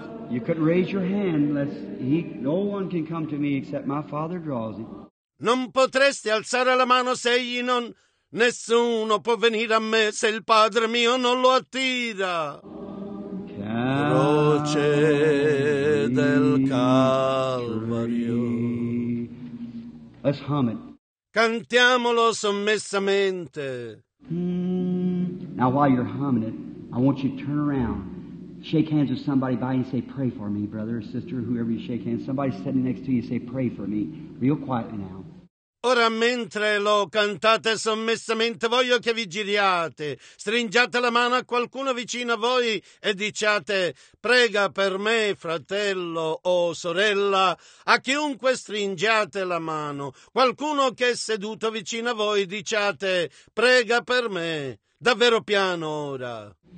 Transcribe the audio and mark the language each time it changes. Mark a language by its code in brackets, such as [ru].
[en] You couldn't raise your hand unless no one can come to me except my Father draws it. [it] Non potresti alzare la mano se egli non... Nessuno può venire a me se il Padre mio non lo attira. Croce del Calvario. [en] Let's hum it. [it] Cantiamolo sommessamente. [en] Now while you're humming it, I want you to turn around. Shake hands with somebody by you and say, pray for me, brother or sister, whoever you shake hands. Somebody sitting next to you, say, pray for me. Real quietly now. [it] Ora mentre lo cantate sommessamente, voglio che vi giriate, stringiate la mano a qualcuno vicino a voi e diciate, prega per me, fratello o sorella, a chiunque stringiate la mano, qualcuno che è seduto vicino a voi, diciate, prega per me, davvero piano ora.